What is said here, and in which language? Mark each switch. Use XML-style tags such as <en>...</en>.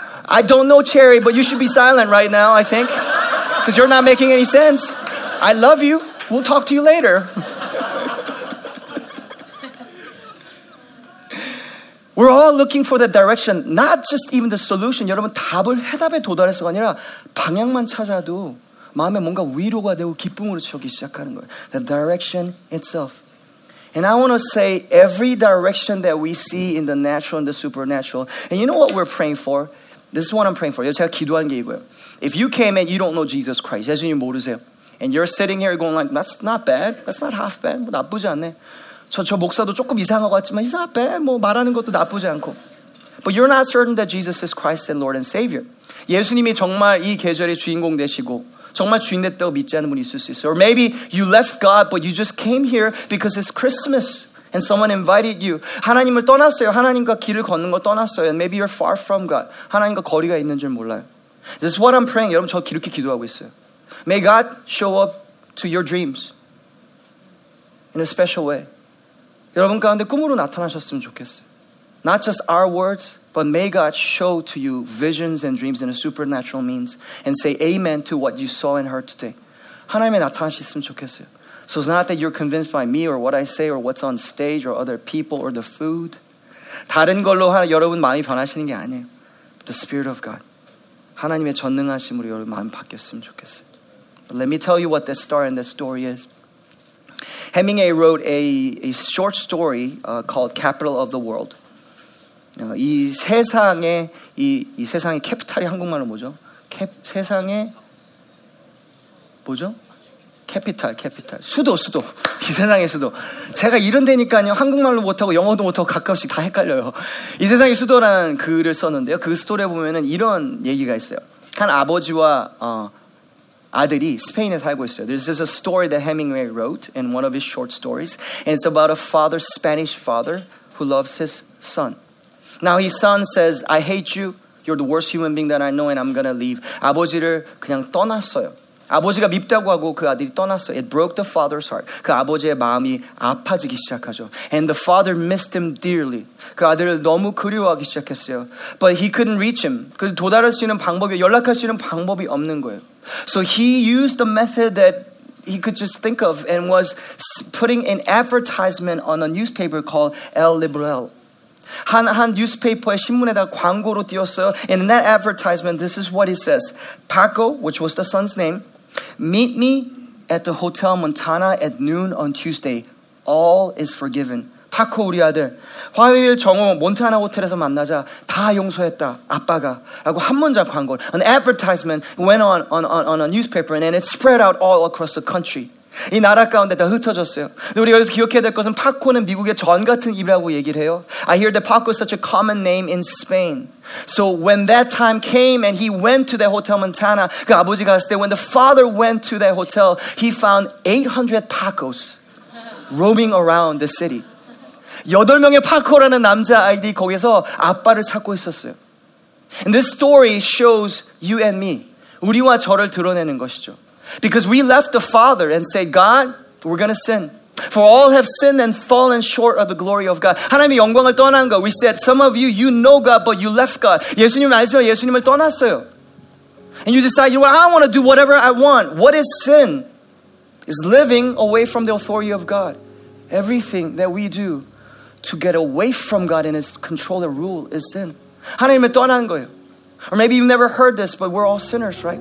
<en>I don't know, Cherry, but you should be silent right now, I think. Because you're not making any sense. I love you. We'll talk to you later. We're all looking for the direction, not just even the solution.</en> <ko>여러분, 답을 해답에 도달해서가 아니라 방향만 찾아도 마음에 뭔가 위로가 되고 기쁨으로 채우기 시작하는 거예요.</ko> <en>The direction itself. And I want to say every direction that we see in the natural and the supernatural, and you know what we're praying for? This is what I'm praying for.</en> <ko>제가 기도하는 게 이거예요.</ko> <en>If you came and you don't know Jesus Christ,</en> <ko>예수님 모르세요.</ko> <en>And you're sitting here going like, that's not bad. That's not half bad.</en> <ko>뭐 나쁘지 않네. 저 목사도 조금 이상한 것 같지만</ko> <en>he's not bad.</en> <ko>뭐 말하는 것도 나쁘지 않고.</ko> <en>But you're not certain that Jesus is Christ and Lord and Savior.</en> <ko>예수님이 정말 이 계절의 주인공 되시고 정말 주인 됐다고 믿지 않는 분이 있을 수 있어요.</ko> <en>Or maybe you left God but you just came here because it's Christmas and someone invited you.</en> <ko>하나님을 떠났어요. 하나님과 길을 걷는 걸 떠났어요.</ko> <en>And maybe you're far from God.</en> <ko>하나님과 거리가 있는 줄 몰라요.</ko> <en>This is what I'm praying.</en> <ko>여러분 저 이렇게 기도하고 있어요.</ko> <en>May God show up to your dreams in a special way.</en> <ko>여러분 가운데 꿈으로 나타나셨으면 좋겠어요.</ko> <en>Not just our words, but may God show to you visions and dreams in a supernatural means and say amen to what you saw and heard today.</en> <ko>하나님에 나타나셨으면 좋겠어요.</ko> <en>So it's not that you're convinced by me or what I say or what's on stage or other people or the food.</en> <ko>다른 걸로 여러분 마음이 변하시는 게 아니에요.</ko> <en>But the Spirit of God.</en> <ko>하나님의 전능하심으로 여러분 마음이 바뀌었으면 좋겠어요.</ko> <en>But let me tell you what the star in this story is. Hemingway wrote a short story called Capital of the World.</en> <ko>이 세상의 이 세상의 캐피탈이 한국말로 뭐죠? 세상의 뭐죠? 캐피탈. 수도. 이 세상의 수도. 제가 이런 데니까요. 한국말로 못하고 영어도 못하고 가끔씩 다 헷갈려요. 이 세상의 수도라는 글을 썼는데요. 그 스토리에 보면은 이런 얘기가 있어요. 한 아버지와 아들이 스페인에 살고 있어요.</ko> <en>This is a story that Hemingway wrote in one of his short stories. And it's about a father, Spanish father, who loves his son. Now his son says, I hate you. You're the worst human being that I know and I'm gonna leave.</en> <ko>아버지를 그냥 떠났어요. 아버지가 밉다고 하고 그 아들이 떠났어요.</ko> <en>It broke the father's heart.</en> <ko>그 아버지의 마음이 아파지기 시작하죠.</ko> <en>And the father missed him dearly.</en> <ko>그 아들을 너무 그리워하기 시작했어요.</ko> <en>But he couldn't reach him.</en> <ko>그 도달할 수 있는 방법이, 연락할 수 있는 방법이 없는 거예요.</ko> <en>So he used the method that he could just think of and was putting an advertisement on a newspaper called El Liberal.</en> <ko>한 뉴스페이퍼에 신문에다가 광고로 띄웠어요.</ko> <en>And in that advertisement, this is what it says. Paco, which was the son's name, meet me at the Hotel Montana at noon on Tuesday. All is forgiven. Paco,</en> <ko>우리 아들. 화요일 정오 몬타나 호텔에서 만나자. 다 용서했다. 아빠가. 라고 한 문장 광고. An advertisement went on a newspaper and it spread out all across the country. 이 나라 가운데 다 흩어졌어요. 근데 우리가 여기서 기억해야 될 것은 파코는 미국의 전 같은 입이라고 얘기를 해요.</ko> <en>I hear that Paco is such a common name in Spain. So when that time came and he went to the Hotel Montana,</en> <ko>그 아버지가 갔을 때</ko> <en>when the father went to that hotel, he found 800 Pacos roaming around the city.</en> <ko>8명의 파코라는 남자 아이들이 거기서 아빠를 찾고 있었어요.</ko> <en>And this story shows you and me,</en> <ko>우리와 저를 드러내는 것이죠.</ko> <en>Because we left the Father and said, God, we're going to sin. For all have sinned and fallen short of the glory of God.</en> <ko>하나님의 영광을 떠난 거.</ko> <en>We said, some of you, you know God, but you left God.</en> <ko>예수님을 알지만 예수님을 떠났어요.</ko> <en>And you decide, you know what, I want to do whatever I want. What is sin? It's living away from the authority of God. Everything that we do to get away from God and His control and rule is sin.</en> <ko>하나님을 떠난 거예요.</ko> <en>Or maybe you've never heard this, but we're all sinners, right?</en>